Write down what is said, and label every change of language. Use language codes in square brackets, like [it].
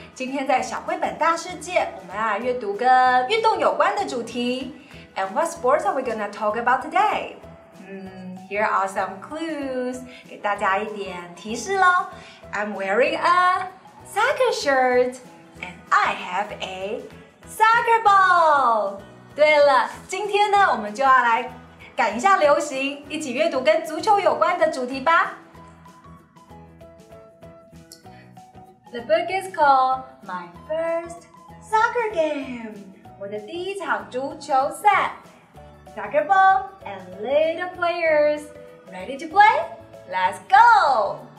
[zh] 今天在小绘本大世界，我们要阅读跟运动有关的主题。 [en] And what sports are we going to talk about today? Here are some clues. [zh] 给大家一点提示咯。 [en] I'm wearing a soccer shirt and I have a soccer ball. [zh] 对了，今天呢，我们就要来赶一下流行，一起阅读跟足球有关的主题吧。 [en] The book is called My First Soccer Game. [zh] 我的第一场足球赛。 [en] Soccer ball and little players. Ready to play? Let's go!